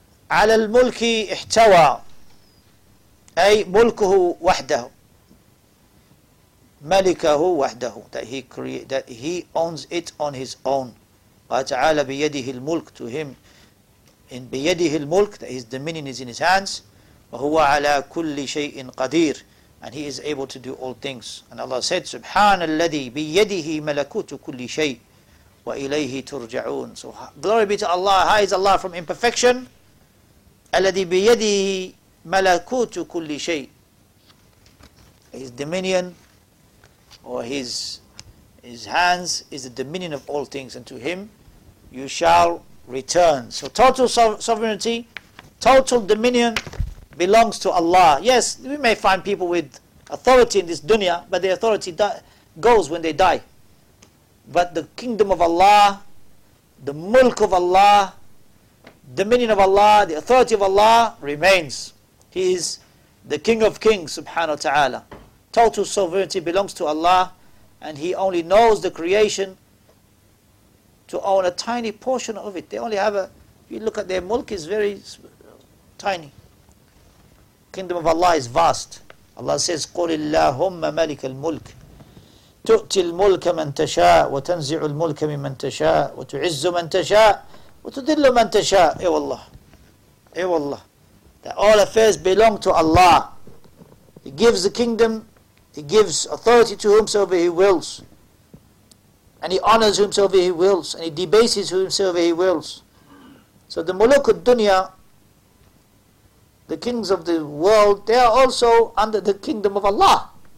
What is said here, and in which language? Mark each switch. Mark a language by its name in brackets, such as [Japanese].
[Arabic] عَلَى الْمُلْكِ اِحْتَوَى أي مُلْكُهُ وَحْدَهُ مَلِكَهُ وَحْدَهُ, [English] that he create, that he owns it on his own. [Arabic] قَالَ تَعَالَى بِيَدِهِ الْمُلْكِ, [English] to him in [Arabic] بِيَدِهِ الْمُلْكِ, [English] that his dominion is in his hands. [Arabic] وَهُوَ عَلَى كُلِّ شَيْءٍ قَدِيرٍ, [English] and he is able to do all things. And Allah said, [Arabic] سُبْحَانَ الَّذِي بِيَدِهِ مَلَكُوتُ كُلِّ شَيْءٍ وَإِلَيْهِ تُرْجَعُونَ. [English] So glory be to Allah, high is Allah from imperfection. [Arabic] الَّذِي بِيَدِهِ مَلَكُوتُ كُلِّ شَيْءٍ, [English] his dominion or his hands is the dominion of all things, and to him you shall return. So total sovereignty, total dominion belongs to Allah. Yes, we may find people with authority in this dunya, but their authority goes when they die. But the kingdom of Allah, the mulk of Allah, dominion of Allah, the authority of Allah remains. He is the King of Kings, subhanahu wa ta'ala. Total sovereignty belongs to Allah, and He only knows the creation to own a tiny portion of it. They only have if you look at their mulk, is very tiny. Kingdom of Allah is vast. Allah says, [Arabic] قُلِ اللَّهُمَّ مَلِكَ الْمُلْكِ تُؤْتِي الْمُلْكَ مَنْ تَشَاءُ وَتَنْزِعُ الْمُلْكَ مِمَّنْ تَشَاءُ وَتُعِزُّ مَنْ تَشَاءُ وَتُذِلُّ مَنْ تَشَاءُ. [English] Ay wallah, ay wallah, that all affairs belong to Allah. He gives the kingdom, He gives authority to whomsoever He wills, and He honors whomsoever He wills, and He debases whomsoever He wills. So the muluk al-dunya, the kings of the world, they are also under the kingdom of Allah.